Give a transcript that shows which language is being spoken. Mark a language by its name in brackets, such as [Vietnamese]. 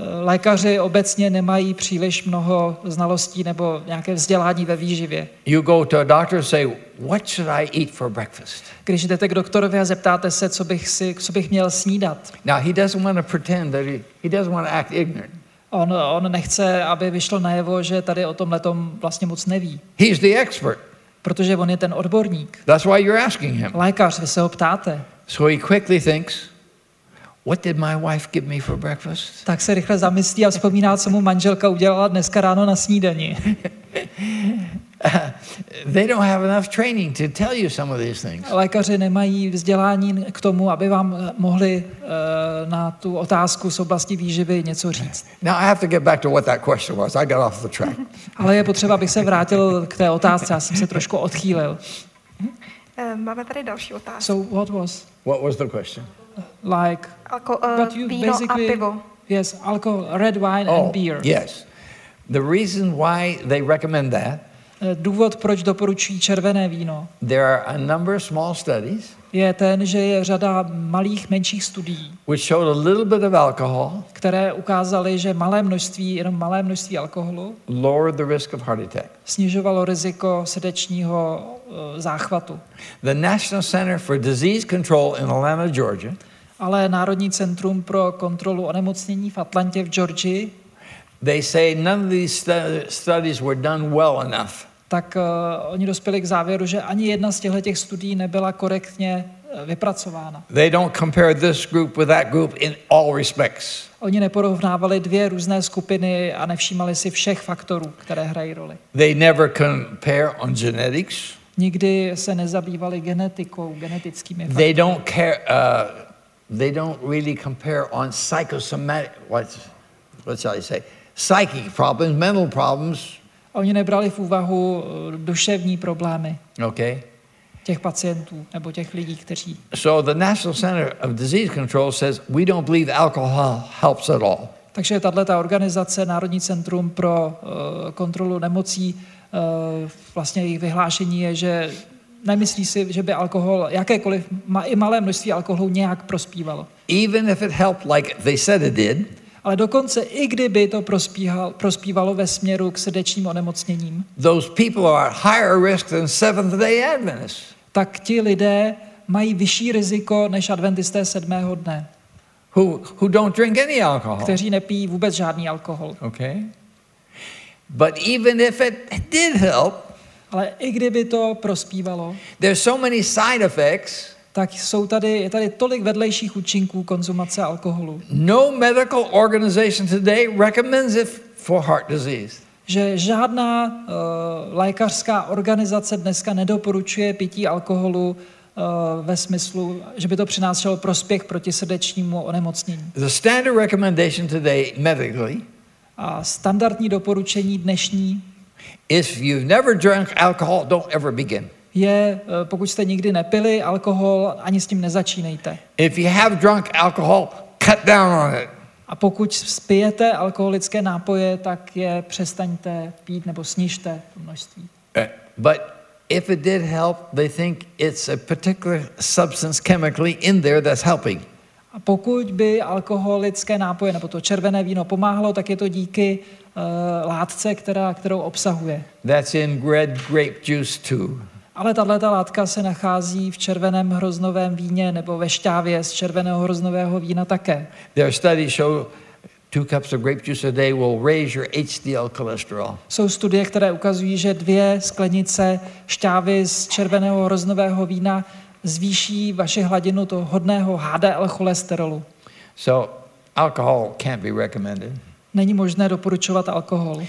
[Czech] Lékaři obecně nemají příliš mnoho znalostí nebo nějaké vzdělání ve výživě. [English] You go to a doctor and say, what should I eat for breakfast? [Czech] Když jdete k doktorovi a zeptáte se, co bych měl snídat. [English] Now, he doesn't want to pretend that he doesn't want to act ignorant. [Czech] On nechce, aby vyšlo najevo, že tady o tomhletom vlastně moc neví. [English] He's the expert. [Czech] Protože on je ten odborník. [English] That's why you're asking him. [Czech] Lékař, vy se ho ptáte. [English] So he quickly thinks, what did my wife give me for breakfast? [Czech] Tak se rychle zamyslí a vzpomíná, co mu manželka udělala dneska ráno na snídani. [English] They don't have enough training to tell you some of these things. [Czech] Lékaři nemají vzdělání k tomu, aby vám mohli na tu otázku z oblasti výživy něco říct. [English] Now I have to get back to what that question was. I got off the track. [Czech] Ale je potřeba, abych se vrátil k té otázce. Já jsem se trošku odchýlil. Máme tady další otázku. [English] So what was? What was the question? Like [Czech] Víno a pivo. [English] Yes, alcohol, red wine and beer. Yes. The reason why they recommend that. [Czech] Důvod, proč doporučují červené víno. [English] There are a number of small studies. [Czech] Je ten, že je řada malých, menších studií, [English] which showed a little bit of alcohol, [Czech] které ukázaly, že jenom malé množství alkoholu [English] lowered the risk of heart attack. [Czech] Snižovalo riziko srdečního záchvatu. [English] The National Center for Disease Control in Atlanta, Georgia, [Czech] ale Národní centrum pro kontrolu onemocnění v Atlantě v Georgii, [English] they say none of these studies were done well enough. [Czech] Tak oni dospěli k závěru, že ani jedna z těchto studií nebyla korektně vypracována. [English] They don't compare this group with that group in all respects. [Czech] Oni neporovnávali dvě různé skupiny a nevšímali si všech faktorů, které hrají roli. [English] They never compare on genetics. [Czech] Nikdy se nezabývali genetikou, genetickými faktory. [English] They don't care. They don't really compare on psychosomatic. What shall I say? Psychic problems, mental problems. [Czech] Oni nebrali v úvahu duševní problémy. [English] Okay. [Czech] Těch pacientů nebo těch lidí, kteří. [English] So the National Center of Disease Control says we don't believe alcohol helps at all. [Czech] Takže tahle ta organizace Národní centrum pro kontrolu nemocí vlastně jejich vyhlášení je, že nemyslí si, že by alkohol jakékoliv i malé množství alkoholu nějak prospívalo. [English] Even if it helped like they said it did. [Czech] Ale dokonce i kdyby to prospívalo ve směru k srdečním onemocněním, [English] those people are higher risk than Seventh-day Adventists. [Czech] Tak ti lidé mají vyšší riziko než adventisté sedmého dne. [English] Who don't drink any alcohol. [Czech] Kteří nepijí vůbec žádný alkohol. [English] Okay. But even if it did help, [Czech] ale i kdyby to prospívalo, [English] there's so many side effects. [Czech] Tak jsou tady, je tady tolik vedlejších účinků konzumace alkoholu. [English] No medical organization today recommends it for heart disease. [Czech] Že žádná lékařská organizace dneska nedoporučuje pití alkoholu ve smyslu, že by to přinášelo prospěch proti srdečnímu onemocnění. [English] The standard recommendation today medically. [Czech] A standardní doporučení dnešní. [English] If you've never drunk alcohol, don't ever begin. [Czech] Je, pokud jste nikdy nepili alkohol, ani s tím nezačínejte. [English] If you have drunk alcohol, cut down on it. [Czech] A pokud pijete alkoholické nápoje, tak je přestaňte pít nebo snižte to množství. [English] But if it did help, they think it's a particular substance chemically in there that's helping. [Czech] A pokud by alkoholické nápoje nebo to červené víno pomáhlo, tak je to díky látce, kterou obsahuje. [English] That's in red grape juice too. [Czech] Ale tato látka se nachází v červeném hroznovém víně nebo ve šťávě z červeného hroznového vína také. [English] There are studies show 2 cups of grape juice a day will raise your HDL cholesterol. [Czech] Jsou studie, které ukazují, že 2 sklenice šťávy z červeného hroznového vína zvýší vaši hladinu toho hodného HDL cholesterolu. [English] So alcohol can't be recommended. [Czech] Není možné doporučovat alkohol.